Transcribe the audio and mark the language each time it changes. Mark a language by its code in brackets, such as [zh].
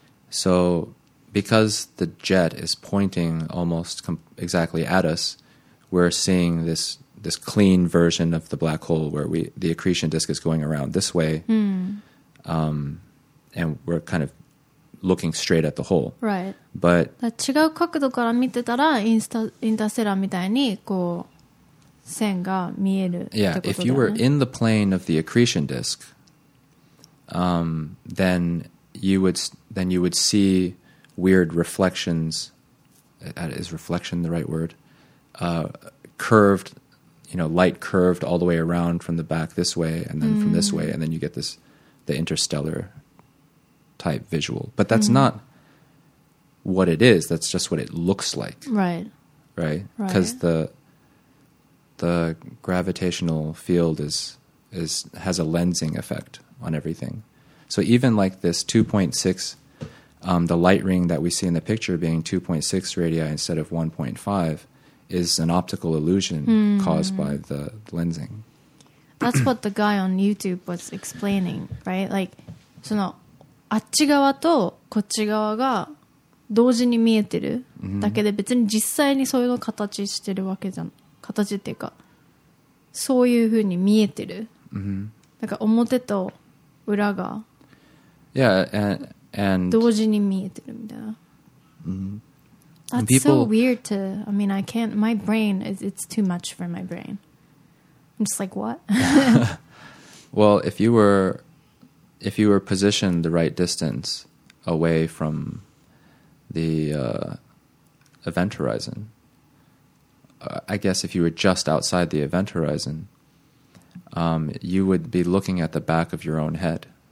[en] So because the jet is pointing almost exactly at us, we're seeing this clean version of the black hole where the accretion disk is going around this way. And we're kind of looking straight at the hole. Right. But [ja] 違う角度から見てたらインターステラーみたいにこう線が見えるってことだね。 [en] Yeah, if you were in the plane of the accretion disk, then you would see weird reflections. Is reflection the right word? Curved, light curved all the way around from the back this way and then from this way, and then you get the interstellar type visual. But that's not what it is. That's just what it looks like. Right. Right? Because the gravitational field has a lensing effect on everything. So even like this 2.6, the light ring that we see in the picture being 2.6 radii instead of 1.5 is an optical illusion caused by the lensing. That's what the guy on YouTube was explaining, right? Like, so no, [ja] あっち側とこっち側が同時に見えてるだけで、別に実際にそういうの形してるわけじゃん。形っていうか、そういうふうに見えてるなんか表と裏が同時に見えてるみたいな。 [en] That's people, so weird to, I mean, I can't, my brain, it's too much for my brain. I'm just like, what? Well, if you were positioned the right distance away from the event horizon, I guess if you were just outside the event horizon, you would be looking at the back of your own head.